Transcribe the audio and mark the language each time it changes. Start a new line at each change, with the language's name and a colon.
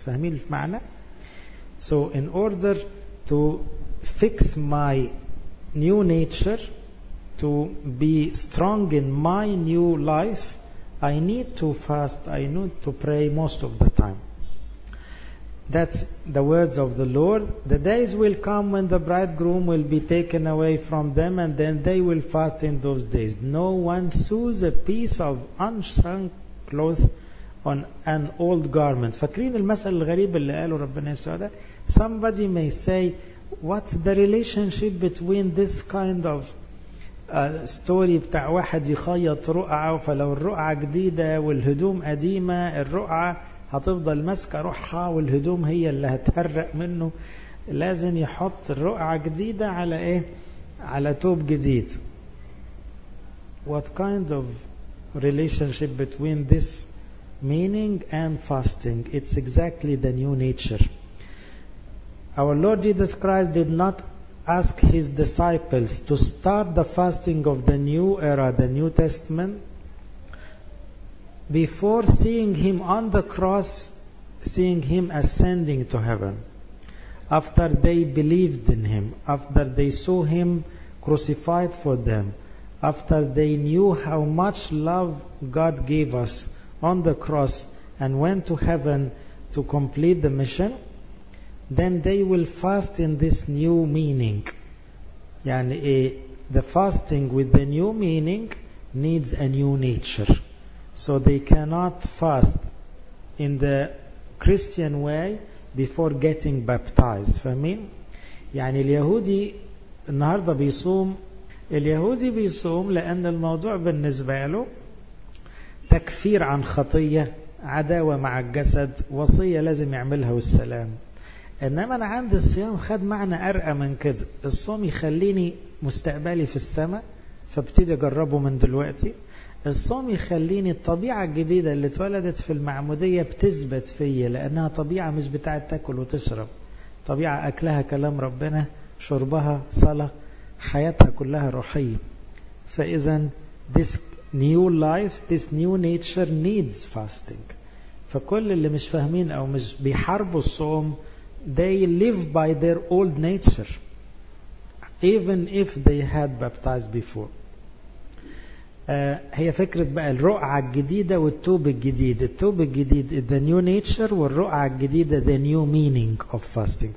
Arabic: فهمين المعنى؟
English: So in order to fix my new nature, to be strong in my new life, I need to fast, I need to pray most of the time. That's the words of the Lord. The days will come when the bridegroom will be taken away from them and then they will fast in those days. No one sews a piece of unshrunk cloth on an old garment.
Arabic: فاكرين المثل الغريب اللي قاله ربنا يسوع ده؟
English: Somebody may say, what's the relationship between this kind of story
Arabic: بتاع واحد يخيط رقعة، فلو الرقعة جديدة والهدوم قديمة الرقعة هتفضل ماسكة روحها والهدوم هي اللي هتهرق منه، لازم يحط الرقعة جديدة على ايه؟ على توب جديد.
English: What kind of relationship between this meaning and fasting? It's exactly the new nature. Our Lord Jesus Christ did not ask his disciples to start the fasting of the new era, the New Testament, before seeing him on the cross, seeing him ascending to heaven, after they believed in him, after they saw him crucified for them, after they knew how much love God gave us on the cross and went to heaven to complete the mission, then they will fast in this new meaning. And the fasting with the new meaning needs a new nature. So they cannot fast in the Christian way before getting baptized.
Arabic: فاهمين؟ يعني اليهودي النهاردة بيصوم، اليهودي بيصوم لأن الموضوع بالنسبة له تكفير عن خطية، عداوة مع الجسد، وصية لازم يعملها والسلام. إنما أنا عندي الصيام خد معنى أرقى من كده، الصوم يخليني مستقبلي في السماء، فابتدي أجربه من دلوقتي. الصوم يخليني الطبيعة الجديدة اللي اتولدت في المعمودية بتثبت فيا، لأنها طبيعة مش بتاعة تاكل وتشرب، طبيعة أكلها كلام ربنا، شربها صلاة، حياتها كلها روحية.
English: فإذا this new life, this new nature needs fasting.
Arabic: فكل اللي مش فاهمين أو مش بيحاربوا الصوم،
English: they live by their old nature even if they had baptized before.
Arabic: هي فكرة بقى الرقعة الجديدة والتوب الجديد. التوب الجديد
English: is the new nature،
Arabic: والرقعة الجديدة
English: the new meaning of fasting.